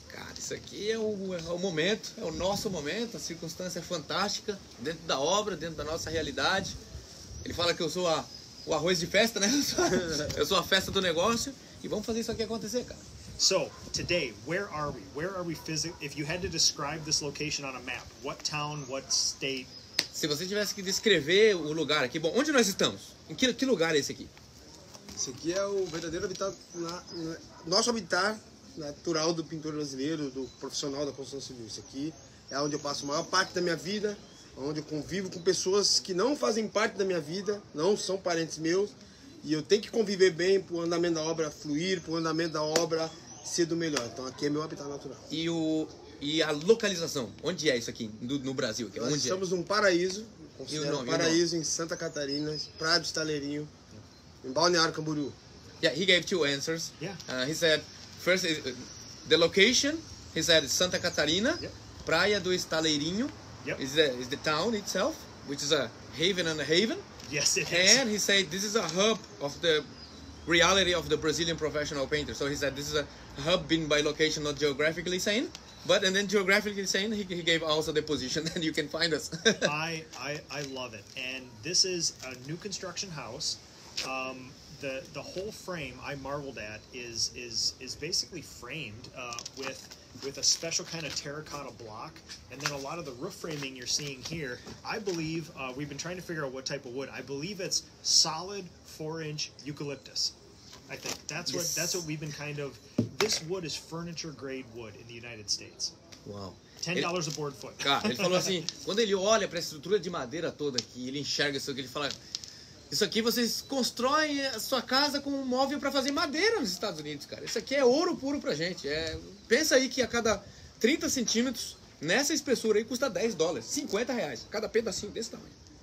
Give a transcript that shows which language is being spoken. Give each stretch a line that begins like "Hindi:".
Portuguese: Cara, isso aqui é o momento, é o nosso momento. A circunstância é fantástica, dentro da obra, dentro da nossa realidade. Ele fala que eu sou o arroz de festa, né? Eu sou a festa do negócio, e vamos fazer isso aqui acontecer, cara.
English: So, today, where are we? Where are we physically? If you had to describe this location on a map, what town, what state?
Portuguese: Se você tivesse que descrever o lugar aqui, bom, onde nós estamos? Em que lugar é esse aqui? Esse aqui é o verdadeiro habitat, nosso habitat natural do pintor brasileiro, do profissional da construção civil. Isso aqui é onde eu passo a maior parte da minha vida, onde eu convivo com pessoas que não fazem parte da minha vida, não são parentes meus. E eu tenho que conviver bem para o andamento da obra fluir, para o andamento da obra ser do melhor. Então aqui é meu habitat natural. E a localização? Onde é isso aqui no Brasil? Aqui? Nós estamos num paraíso, considero um paraíso em Santa Catarina, Praia do Estaleirinho, em Balneário Camboriú.
English: Yeah, he gave two answers. Yeah. He said, first, the location, he said Santa Catarina, yep.
Portuguese: Praia do Estaleirinho,
English: yep. is the town itself, which is a haven and a haven. Yes, it is. And he said this is a hub of the reality of the Brazilian professional painter. So he said this is a hub being by location, not geographically saying. But and then geographically saying, he gave also the position and you can find us. I love it. And this is a new construction house. The whole frame I marveled at is basically framed with a special kind of terracotta block, and then a lot of the roof framing you're seeing here, I believe, we've been trying to figure out what type of wood. I believe it's solid 4-inch eucalyptus. I think that's what yes. That's what we've been kind of. This wood is furniture grade wood in the United States. Wow. $10 a board foot.
Portuguese: Cara, ele falou assim, quando ele olha para a estrutura de madeira toda aqui, ele enxerga isso aqui, ele fala, isso aqui vocês constroem a sua casa com um móvel para fazer madeira nos Estados Unidos, cara. Isso aqui é ouro puro pra gente. É, pensa aí que a cada 30 centímetros, nessa espessura aí, custa $10, R$50, cada pedacinho desse tamanho.